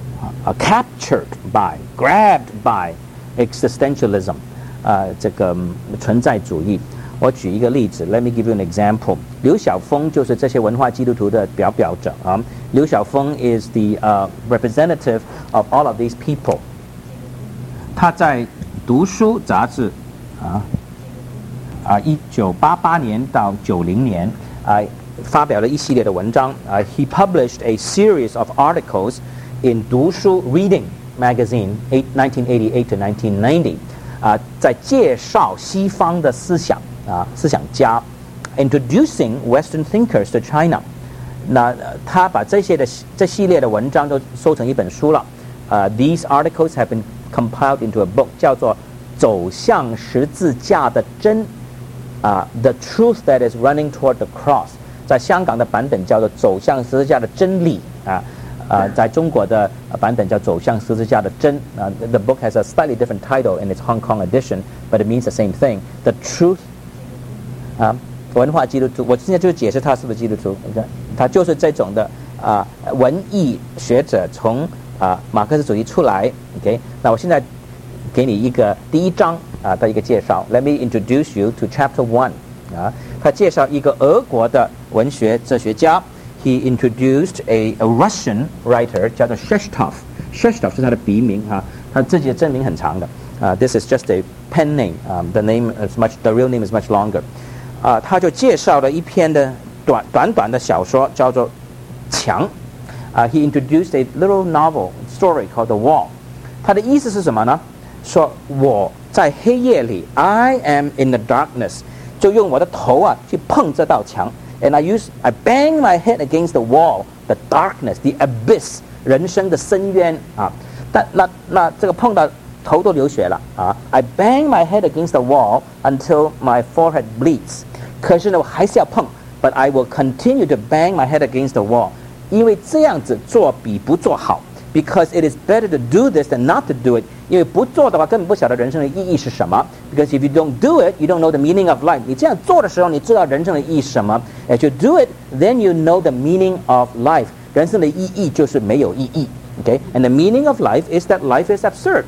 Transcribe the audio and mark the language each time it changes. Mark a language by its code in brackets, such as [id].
[en] They were really captured by, grabbed by existentialism, [zh] 这个存在主义。我举一个例子 [en] ,let me give you an example. [zh] 刘晓峰就是这些文化基督徒的表者。 [en] 刘晓峰 is the representative of all of these people. [zh] 他在读书杂志1988年到90年发表了一系列的文章。 [en] He published a series of articles in 读书 Reading magazine 1988 to 1990, [zh] 在介绍西方的思想思想家 [en] introducing Western thinkers to China. [zh] 那他把这系列的文章都收成一本书了。 [en] These articles have been compiled into a book [zh] 叫做走向十字架的真 [en] The Truth That Is Running Toward the Cross. [zh] 在香港的版本叫做走向十字架的真 [en] 理在中国的版本叫走向十字架的真 The book has a slightly different title in its Hong Kong edition, but it means the same thing. [zh] The Truth文化基督徒，我现在就解释他是不是基督徒。他就是这种的文艺学者从马克思主义出来。 Okay, 那我现在给你一个第一章的一个介绍。 [en] Let me introduce you to Chapter One. [zh] 他介绍一个俄国的文学哲学家。 [en] He introduced a Russian writer [zh] 叫做 [en] Shestov. [zh] Shestov 是他的笔名他自己的真名很长的。 [en] This is just a pen name. The real name is much longer. [zh] 他就介绍了一篇的短短的小说叫做《墙》。 [en] He introduced a little novel story called The Wall. [zh] 他的意思是什么呢？说我在黑夜里 ， [en] I am in the darkness， [zh] 就用我的头去碰这道墙。 [en] And I bang my head against the wall, the darkness, the abyss, [zh] 人生的深渊但那这个碰到头都流血了 [en] I bang my head against the wall until my forehead bleeds. [zh] 可是呢，我还是要碰 [en] ，but I will continue to bang my head against the wall, [zh] 因为这样子做比不做好。 [en] Because it is better to do this than not to do it. [zh] 因为不做的话，根本不晓得人生的意义是什么。 [en] Because if you don't do it, you don't know the meaning of life. [zh] 你这样做的时候，你知道人生的意义是什么。 [en] As you do it, then you know the meaning of life. [zh] 人生的意义就是没有意义。 [en] Okay? And the meaning of life is that life is absurd.